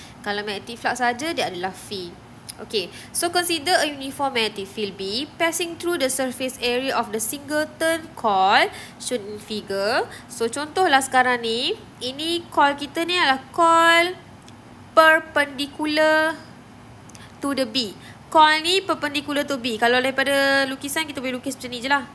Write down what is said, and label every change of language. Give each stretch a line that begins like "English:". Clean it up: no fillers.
Malay: Kalau magnetic flux saja dia adalah phi.
English: Okay. So, consider a uniform magnetic field B passing through the surface area of the singleton coil shown in figure.
Malay: So, contohlah sekarang ni. Ini coil kita ni adalah coil
English: perpendicular to the B.
Malay: Coil ni
English: perpendicular to B.
Malay: Kalau daripada lukisan, kita boleh lukis macam ni je lah.